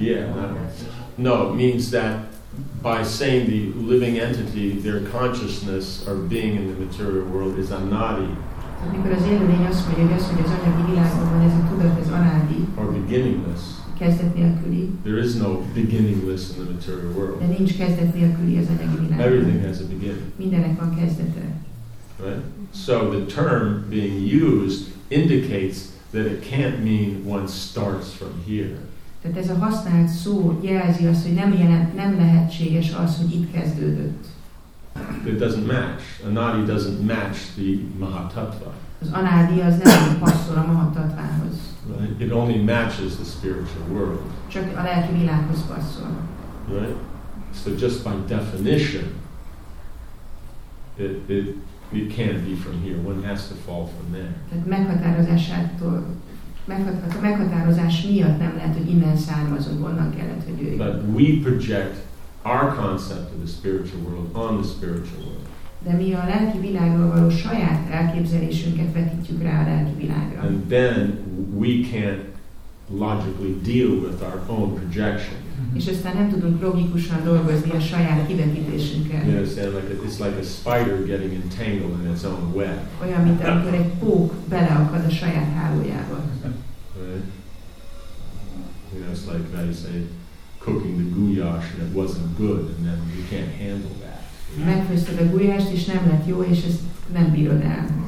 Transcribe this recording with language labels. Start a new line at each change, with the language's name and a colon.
English: Yeah, no, it means that by saying the living entity, their consciousness or being in the material world is anadi.
Hungarian: Amikor az élőlény azt mondja, hogy az anyagi világban van ez a tudat, ez anádi.
English: Or beginningless.
Hungarian: Kezdet nélküli.
English: There is no beginningless in the material world.
Hungarian: De nincs kezdet nélküli az anyagi világban.
English: Everything has a beginning.
Hungarian: Mindenek van kezdete.
English: Right? So the term being used indicates that it can't mean one starts from here.
Hungarian: Tehát ez a használt szó jelzi azt, hogy nem lehetséges az, hogy itt kezdődött.
English: it doesn't match. A nadi doesn't match the mahatattva.
Hungarian: Az anádi az nem passzol a mahatattvához.
English: It only matches the spiritual world.
Hungarian: Csak a lelki világhoz passzol.
English: Right? So just by definition, it can't be from here. One has to fall from there.
Hungarian: Tehát meghatározásától, a meghatározás miatt nem lehet, hogy innen származunk, onnan kellett, hogy jöjjön.
English: But we project our concept of the spiritual world on the spiritual world.
Hungarian: De mi a lelki világról való saját elképzelésünket vetítjük rá a lelki világra.
English: And then we can't logically deal with our own projection.
Hungarian: És aztán nem tudunk logikusan dolgozni a saját kivetítésünkkel.
English: You understand? It's like a spider getting entangled in its own web.
Hungarian: Olyan, mint amikor egy pók beleakad a saját hálójába.
English: You know, it's like they say cooking the goulash and it wasn't good, and then you can't handle that.
Hungarian: Megfőzted a gulyást és nem lett jó, és ezt nem bírod el.